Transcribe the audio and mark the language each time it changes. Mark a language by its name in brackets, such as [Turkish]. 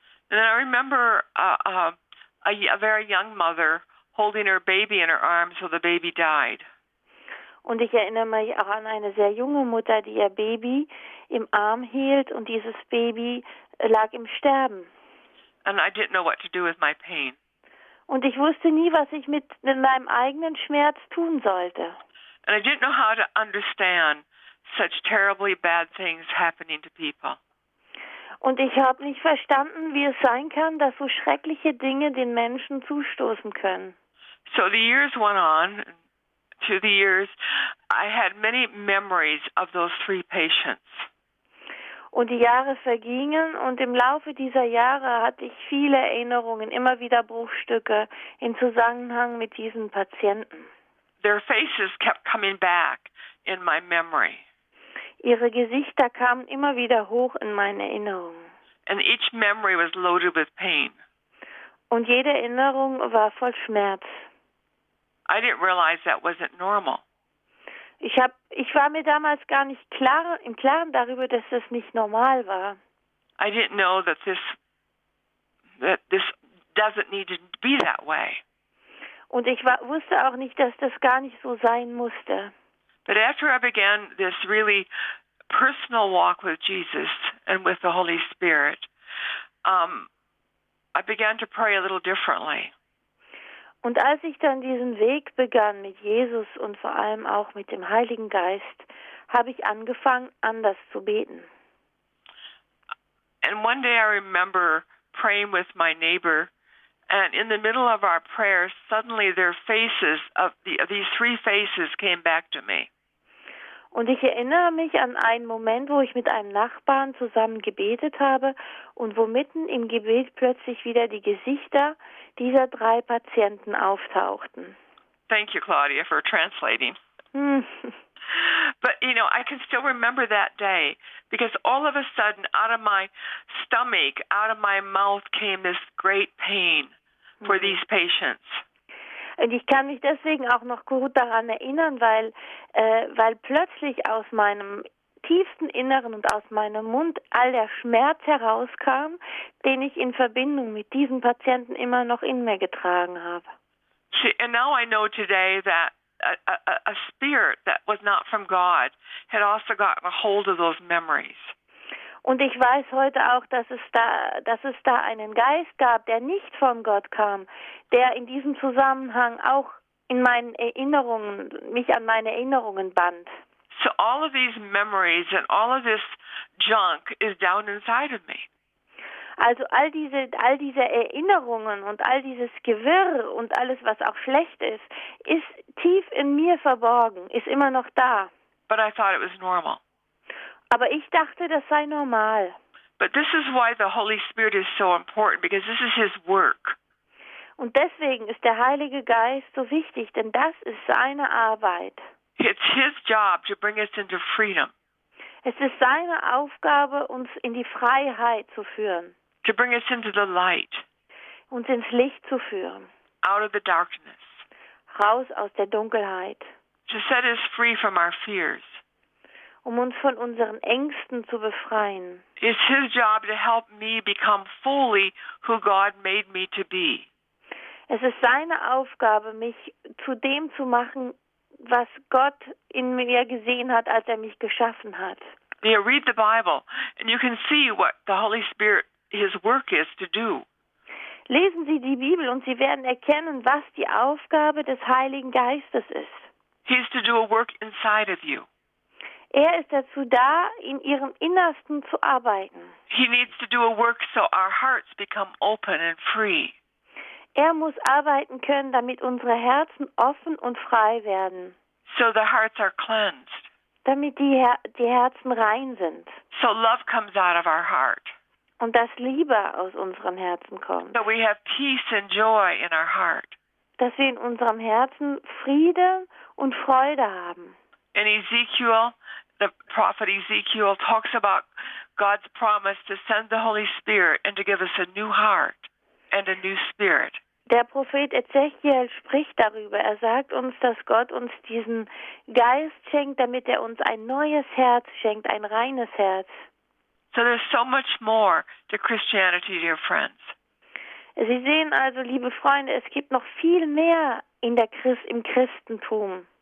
[English] And I remember a very young mother holding her baby in her arms, so the baby died. [German] Und ich erinnere mich auch an eine sehr junge Mutter, die ihr Baby im Arm hielt, und dieses Baby lag im Sterben. [English] And I didn't know what to do with my pain. [German] Und ich wusste nie, was ich mit meinem eigenen Schmerz tun sollte. [English] And I didn't know how to understand such terribly bad things happening to people. [German] Und ich habe nicht verstanden, wie es sein kann, dass so schreckliche Dinge den Menschen zustoßen können. [English] So the years went on. Through the years, I had many memories of those three patients. [German] Und die Jahre vergingen und im Laufe dieser Jahre hatte ich viele Erinnerungen, immer wieder Bruchstücke im Zusammenhang mit diesen Patienten. [English] Their faces kept coming back in my memory. [German] Ihre Gesichter kamen immer wieder hoch in meine Erinnerung. [English] And each memory was loaded with pain. [German] Und jede Erinnerung war voll Schmerz. [English] I didn't realize that wasn't normal. [German] Ich war mir damals gar nicht im Klaren darüber, dass das nicht normal war. [English] I didn't know that this doesn't need to be that way. [German] Und ich wusste auch nicht, dass das gar nicht so sein musste. [English] But after I began this really personal walk with Jesus and with the Holy Spirit, I began to pray a little differently. [German] Und als ich dann diesen Weg begann mit Jesus und vor allem auch mit dem Heiligen Geist, habe ich angefangen, anders zu beten. [English] And one day I remember praying with my neighbor And in the middle of our prayer, suddenly their faces, these three faces came back to me. [German] Und ich erinnere mich an einen Moment, wo ich mit einem Nachbarn zusammen gebetet habe und wo mitten im Gebet plötzlich wieder die Gesichter dieser drei Patienten auftauchten. [English] Thank you, Claudia, for translating. But, you know, I can still remember that day because all of a sudden out of my stomach, out of my mouth came this great pain for these patients. [German] Und ich kann mich deswegen auch noch gut daran erinnern, weil plötzlich aus meinem tiefsten Inneren und aus meinem Mund all der Schmerz herauskam, den ich in Verbindung mit diesen Patienten immer noch in mir getragen habe. [English] And now I know today that a spirit that was not from God had also gotten a hold of those memories. [German] Und ich weiß heute auch, dass es da einen Geist gab, der nicht von Gott kam, der in diesem Zusammenhang auch in meinen Erinnerungen, mich an meine Erinnerungen band. [English] So all of these memories and all of this junk is down inside of me. [German] Also all diese Erinnerungen und all dieses Gewirr und alles, was auch schlecht ist, ist tief in mir verborgen, ist immer noch da. [English] But I thought it was normal. [German] Aber ich dachte, das sei normal. [English] But this is why the Holy Spirit is so important, because this is his work. [German] Und deswegen ist der Heilige Geist so wichtig, denn das ist seine Arbeit. [English] It's his job to bring us into freedom. [German] Es ist seine Aufgabe, uns in die Freiheit zu führen. [English] To bring us into the light. [German] Uns ins Licht zu führen. [English] Out of the darkness. [German] Raus aus der Dunkelheit. [English] To set us free from our fears. [German] Um uns von unseren Ängsten zu befreien. [English] It's his job to help me become fully who God made me to be. [German] Es ist seine Aufgabe, mich zu dem zu machen, was Gott in mir gesehen hat, als er mich geschaffen hat. [English] Yeah, read the Bible and you can see what the Holy Spirit, his work is to do. [German] Lesen Sie die Bibel und Sie werden erkennen, was die Aufgabe des Heiligen Geistes ist. [English] He's to do a work inside of you. [German] Er ist dazu da, in ihrem Innersten zu arbeiten. [English] He needs to do a work so our hearts become open and free. [German] Er muss arbeiten können, damit unsere Herzen offen und frei werden. [English] So the hearts are cleansed. [German] Damit die Herzen rein sind. [English] So love comes out of our heart. [German] Und dass Liebe aus unserem Herzen kommt. [English] So we have peace and joy in our heart. [German] Dass wir in unserem Herzen Friede und Freude haben. [English] In Ezekiel, the prophet Ezekiel talks about God's promise to send the Holy Spirit and to give us a new heart and a new spirit. [German] Der Prophet Ezekiel spricht darüber. Er sagt uns, dass Gott uns diesen Geist schenkt, damit er uns ein neues Herz schenkt, ein reines Herz. [English] So there's so much more to Christianity, dear friends. [German] Sie sehen also, liebe Freunde, es gibt noch viel mehr im Christentum.